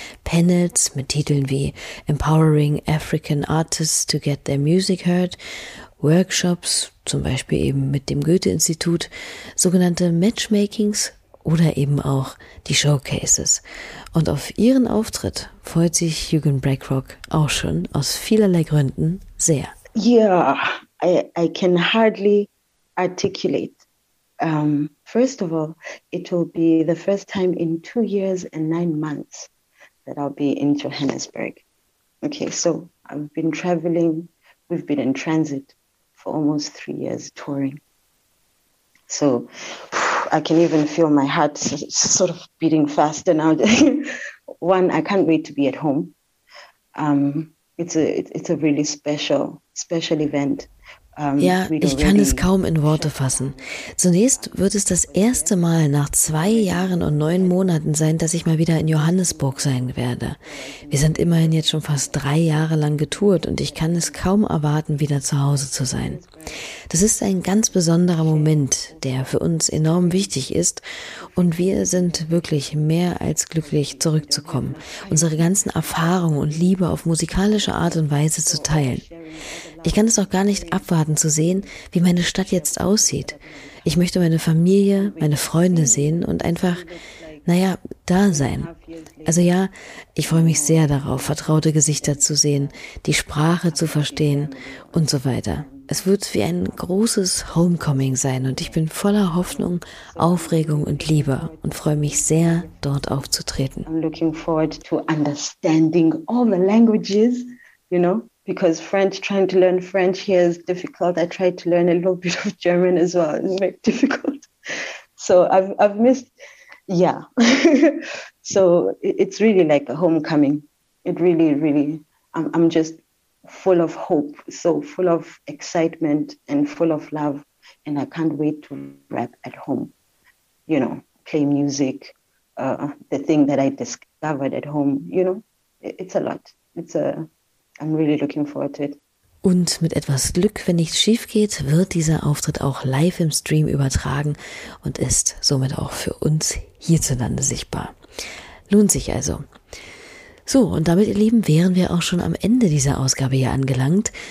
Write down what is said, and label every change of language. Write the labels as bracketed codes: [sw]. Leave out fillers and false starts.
[de] Panels mit Titeln wie Empowering African Artists to Get Their Music Heard, Workshops, zum Beispiel eben mit dem Goethe-Institut, sogenannte Matchmakings oder eben auch die Showcases. Und auf ihren Auftritt freut sich Jürgen Blackrock auch schon aus vielerlei Gründen sehr. [en] Yeah, I can hardly articulate. First of all, it will be the first time in 2 years and 9 months that I'll be in Johannesburg. Okay, so I've been traveling, we've been in transit for almost 3 years touring. So I can even feel my heart sort of beating faster now. One, I can't wait to be at home. It's a really special event. [de] Ich kann es kaum in Worte fassen. Zunächst wird es das erste Mal nach 2 Jahren und 9 Monaten sein, dass ich mal wieder in Johannesburg sein werde. Wir sind immerhin jetzt schon fast 3 Jahre lang getourt und ich kann es kaum erwarten, wieder zu Hause zu sein. Das ist ein ganz besonderer Moment, der für uns enorm wichtig ist und wir sind wirklich mehr als glücklich, zurückzukommen, unsere ganzen Erfahrungen und Liebe auf musikalische Art und Weise zu teilen. Ich kann es auch gar nicht abwarten zu sehen, wie meine Stadt jetzt aussieht. Ich möchte meine Familie, meine Freunde sehen und einfach, naja, da sein. Also ja, ich freue mich sehr darauf, vertraute Gesichter zu sehen, die Sprache zu verstehen und so weiter. Es wird wie ein großes Homecoming sein und ich bin voller Hoffnung, Aufregung und Liebe und freue mich sehr, dort aufzutreten. [en] I'm looking forward to understanding all the languages, you know. Because French, trying to learn French here is difficult. I tried to learn a little bit of German as well. It's very difficult. So I've missed, yeah. So it's really like a homecoming. It really, really, I'm just full of hope. So full of excitement and full of love. And I can't wait to rap at home, you know, play music, the thing that I discovered at home, you know. It's a lot. I'm really looking forward to it. [de] Und mit etwas Glück, wenn nichts schief geht, wird dieser Auftritt auch live im Stream übertragen und ist somit auch für uns hierzulande sichtbar. Lohnt sich also. So, und damit, ihr Lieben, wären wir auch schon am Ende dieser Ausgabe hier angelangt.